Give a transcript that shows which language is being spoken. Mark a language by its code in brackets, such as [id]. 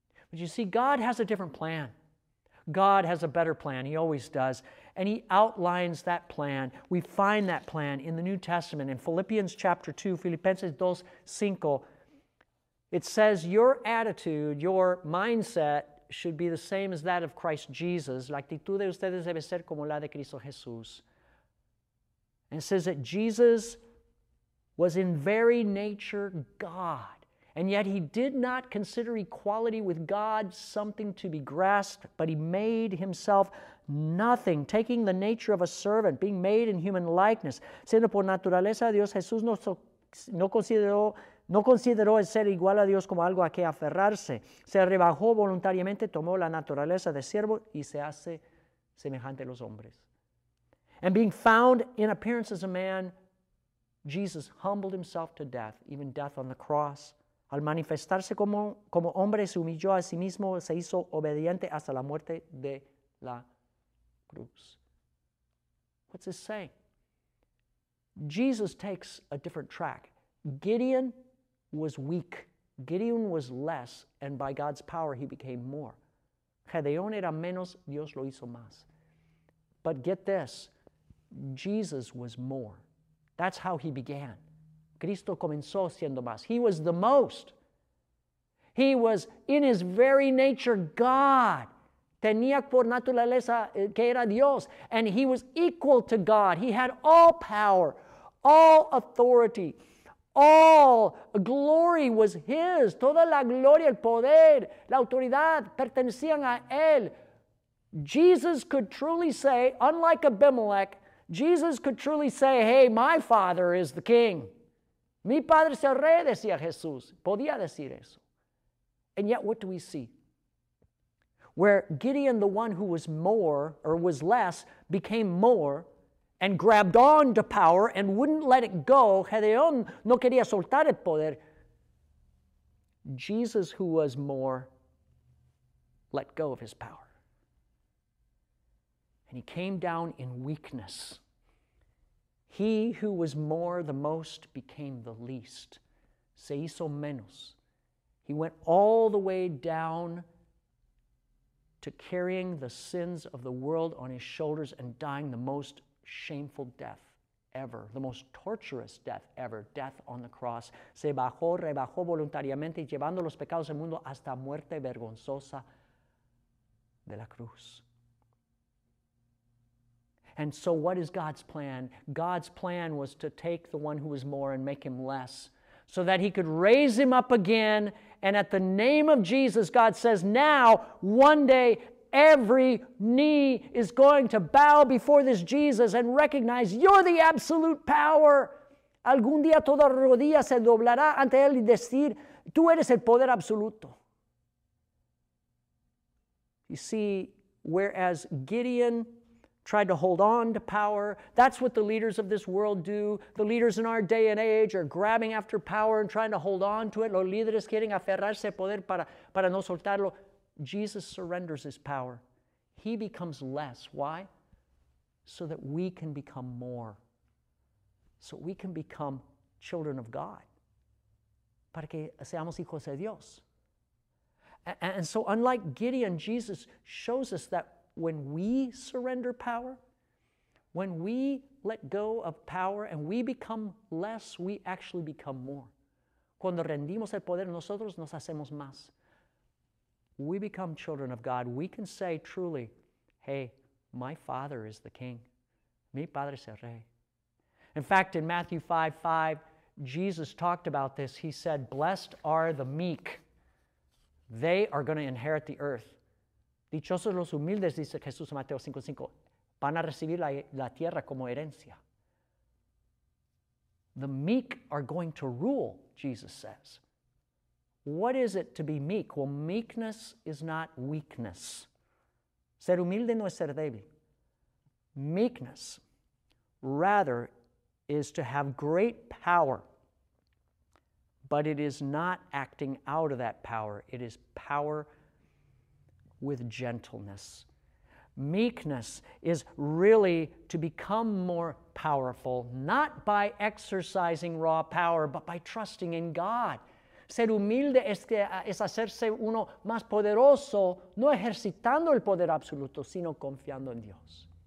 [en] But you see, God has a different plan. God has a better plan. He always does. And he outlines that plan. We find that plan in the New Testament. In Philippians chapter 2, Filipenses 2, 5, it says, your attitude, your mindset should be the same as that of Christ Jesus. [es] La actitud de ustedes debe ser como la de Cristo Jesús. [en] And it says that Jesus was in very nature God. And yet he did not consider equality with God something to be grasped, but he made himself nothing, taking the nature of a servant, being made in human likeness. [es] Siendo por naturaleza Dios, Jesús no consideró el ser igual a Dios como algo a que aferrarse. Se rebajó voluntariamente, tomó la naturaleza de siervo y se hace semejante a los hombres. [en] And being found in appearance as a man, Jesus humbled himself to death, even death on the cross. [es] Al manifestarse como hombre, se humilló a sí mismo, se hizo obediente hasta la muerte de la cruz. [en] What's this saying? Jesus takes a different track. Gideon was weak. Gideon was less, and by God's power, he became more. [es] Gedeón era menos, Dios lo hizo más. [en] But get this, Jesus was more. That's how he began. [es] Cristo comenzó siendo más. [en] He was the most. He was in his very nature God. [es] Tenía por naturaleza que era Dios. [en] And he was equal to God. He had all power, all authority, all glory was his. [es] Toda la gloria, el poder, la autoridad pertenecían a él. [en] Jesus could truly say, unlike Abimelech, Jesus could truly say, hey, my father is the king. [es] Mi padre es el rey, decía Jesús. Podía decir eso. [en] And yet, what do we see? Where Gideon, the one who was more or was less, became more and grabbed on to power and wouldn't let it go. [es] Gedeón no quería soltar el poder. [en] Jesus, who was more, let go of his power. And he came down in weakness. He who was more, the most, became the least. [es] Se hizo menos. [en] He went all the way down to carrying the sins of the world on his shoulders and dying the most shameful death ever, the most torturous death ever, death on the cross. [es] Se bajó, rebajó voluntariamente, llevando los pecados del mundo hasta muerte vergonzosa de la cruz. [en] And so what is God's plan? God's plan was to take the one who was more and make him less so that he could raise him up again. And at the name of Jesus, God says, now, one day, every knee is going to bow before this Jesus and recognize you're the absolute power. [es] Algún día toda rodilla se doblará ante él y decir, tú eres el poder absoluto. [en] You see, whereas Gideon tried to hold on to power. That's what the leaders of this world do. The leaders in our day and age are grabbing after power and trying to hold on to it. [es] Los líderes quieren aferrarse al poder para no soltarlo. [en] Jesus surrenders his power. He becomes less. Why? So that we can become more. So we can become children of God. [es] Para que seamos hijos de Dios. [en] And so unlike Gideon, Jesus shows us that when we surrender power, when we let go of power and we become less, we actually become more. [es] Cuando rendimos el poder, nosotros nos hacemos más. [en] We become children of God. We can say truly, hey, my Father is the King. [es] Mi Padre es el Rey. [en] In fact, in Matthew 5:5, Jesus talked about this. He said, blessed are the meek. They are going to inherit the earth. [es] Dichosos los humildes, dice Jesús en Mateo 5:5, van a recibir la tierra como herencia. [en] The meek are going to rule, Jesus says. What is it to be meek? Well, meekness is not weakness. [es] Ser humilde no es ser débil. [en] Meekness, rather, is to have great power, but it is not acting out of that power. It is power with gentleness. Meekness is really to become more powerful, not by exercising raw power, but by trusting in God. [es] Ser humilde es hacerse uno más poderoso, no ejercitando el poder absoluto, sino confiando en Dios.